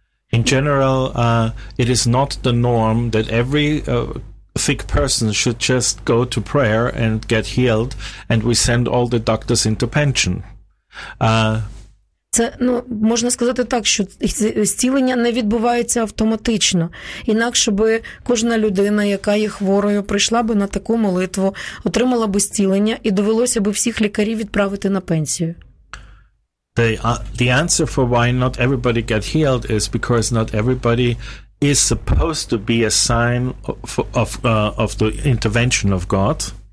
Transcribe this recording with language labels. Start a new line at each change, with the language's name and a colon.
English: In general, it is not the norm that every sick person should just go to prayer and get healed, and we send all the doctors into pension.
Ukrainian: Це, ну, можна сказати так, що зцілення не відбувається автоматично. Інакше би кожна людина, яка є хворою, прийшла би на таку молитву, отримала би зцілення і довелося би всіх лікарів відправити на пенсію.
English: The answer for why not everybody get healed is because not everybody is supposed to be a sign of the intervention of God.